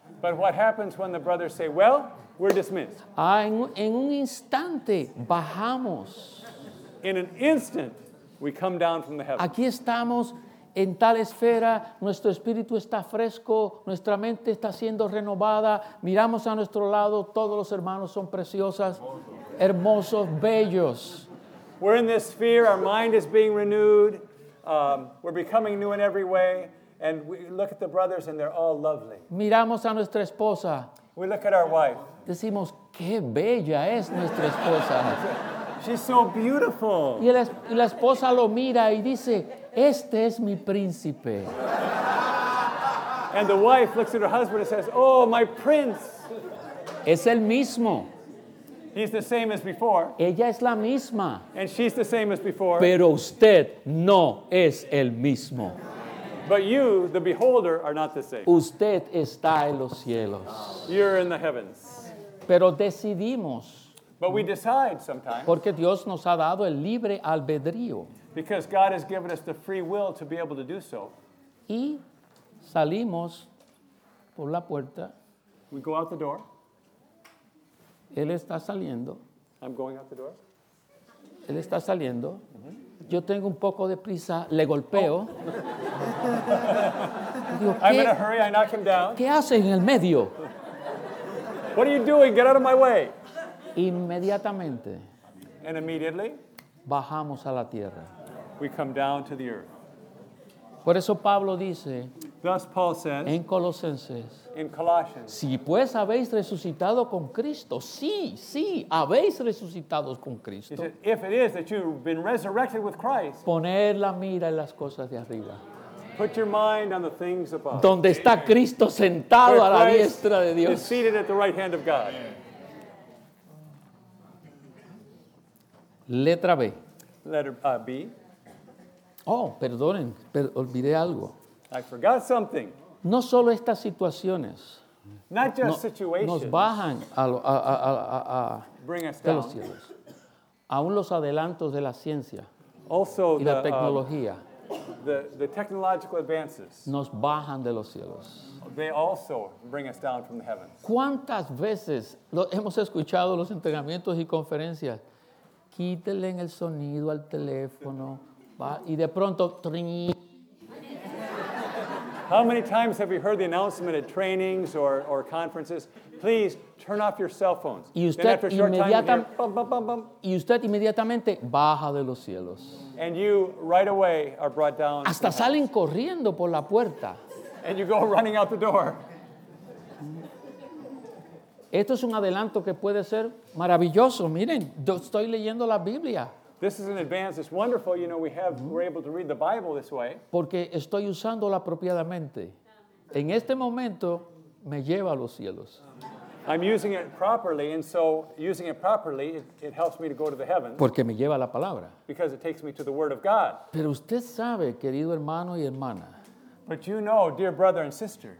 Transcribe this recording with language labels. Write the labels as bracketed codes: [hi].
[en] But what happens when the brothers say, well, we're dismissed? [es] En un instante bajamos. [en] In an instant, we come down from the heavens. [es] Aquí estamos en tal esfera, nuestro espíritu está fresco, nuestra mente está siendo renovada, miramos a nuestro lado, todos los hermanos son preciosas, hermosos, bellos. [en] We're in this sphere, our mind is being renewed, we're becoming new in every way, and we look at the brothers and they're all lovely. [es] Miramos a nuestra esposa. [en] We look at our wife. [es] Decimos, qué bella es nuestra esposa. [en] She's so beautiful. [es] Y la esposa lo mira y dice, este es mi príncipe. [en] And the wife looks at her husband and says, oh, my prince. [es] Es el mismo. [en] He's the same as before. [es] Ella es la misma. [en] And she's the same as before. [es] Pero usted no es el mismo. [en] But you, the beholder, are not the same. [es] Usted está en los cielos. [en] You're in the heavens. [es] Pero decidimos. [en] But we decide sometimes. [es] Porque Dios nos ha dado el libre albedrío. [en] Because God has given us the free will to be able to do so. [es] Y salimos por la puerta. [en] We go out the door. [es] Él está saliendo. [en] I'm going out the door. [es] Él está saliendo. Mm-hmm. Yo tengo un poco de prisa. Le golpeo. Oh. Digo, [en] I'm in a hurry. I knock him down. [es] ¿Qué hace en el medio? [en] What are you doing? Get out of my way. [es] Inmediatamente. [en] And immediately, [es] bajamos a la tierra. [en] We come down to the earth. [es] Por eso Pablo dice, [en] thus Paul says, [es] en Colosenses, [en] in Colossians, [es] si pues habéis resucitado con Cristo, sí, habéis resucitado con Cristo. [en] He said, if it is that you've been resurrected with Christ, [es] poner la mira en las cosas de arriba. [en] Put your mind on the things above. [es] Donde está Cristo sentado a la diestra de Dios. [en] Is seated at the right hand of God. [es] Letra B. [en] Letter B. [es] Oh, perdonen, olvidé algo. [en] I forgot something. [es] No solo estas situaciones. [en] Not just situations. [es] Nos bajan a [en] bring us [es] de [en] down. [es] Los cielos. Aún los adelantos de la ciencia [en] also [es] y la tecnología. [en] the technological advances [es] nos bajan de los cielos. [en] They also bring us down from the heavens. [es] ¿Cuántas veces hemos escuchado los entrenamientos y conferencias? Quítele el sonido al teléfono, va, y de pronto tring. [en] How many times have we heard the announcement at trainings or conferences? Please turn off your cell phones. [es] Y usted, [en] then after a short time, [es] y usted inmediatamente baja de los cielos. [en] And you right away are brought down. [es] Hasta salen corriendo por la puerta. [en] And you go running out the door. [es] Esto es un adelanto que puede ser maravilloso. Miren, estoy leyendo la Biblia. [en] This is an advance. It's wonderful. You know, we're able to read the Bible this way. [es] Porque estoy usándola apropiadamente. En este momento, me lleva a los cielos. [en] I'm using it properly, and so using it properly, it helps me to go to the heavens. [es] Porque me lleva a la palabra. [en] Because it takes me to the Word of God. [es] Pero usted sabe, querido hermano y hermana. [en] But you know, dear brother and sister.